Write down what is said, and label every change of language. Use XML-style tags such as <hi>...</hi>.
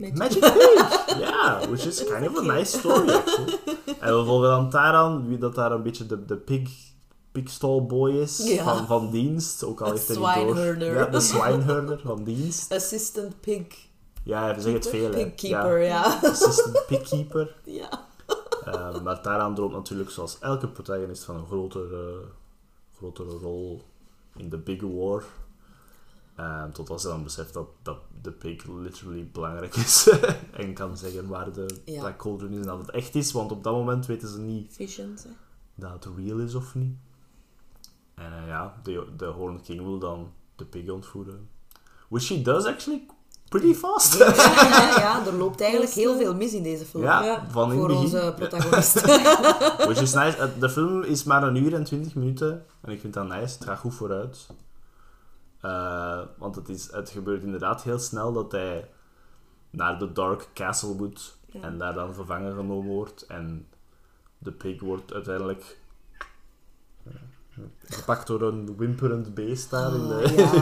<en>Ja, yeah, which is kind of a nice story, actually.</en> <nl>En we volgen dan Taran, wie dat daar een beetje de</nl> <en>pigstall boy</en> <nl>is, van dienst. Ook al heeft hij niet door. Ja, de</nl> <en>swineherder</en> <nl>van dienst.</nl> <en>Assistant pig.</en> <nl>Ja, we zeggen het veel,</nl> <en>pigkeeper, ja. Assistant pigkeeper.</en> <nl>Ja. Maar Taran droomt natuurlijk, zoals elke protagonist, van een grotere rol</nl> <en>in the big war.</en> <nl>Tot als hij dan beseft dat de pig</nl> <en>literally</en> <nl>belangrijk is. En kan zeggen waar de Black Cauldron is en dat het echt is. Want op dat moment weten ze niet dat het</nl> <en>real</en> <nl>is of niet. En de Horned King wil dan de pig ontvoeren.</nl> <en>Which he does actually pretty fast.</en> <nl>Ja, er loopt eigenlijk heel veel mis in deze film. Ja, van in voor begin. Onze protagonist.</nl> <en>Which is nice.</en> <nl>De film is maar 1 uur en 20 minuten. En ik vind dat nice. Het gaat goed vooruit. Want het gebeurt inderdaad heel snel dat hij naar de Dark Castle moet en daar dan vervangen genomen wordt en de pig wordt uiteindelijk gepakt door een wimperend beest daar in de</nl>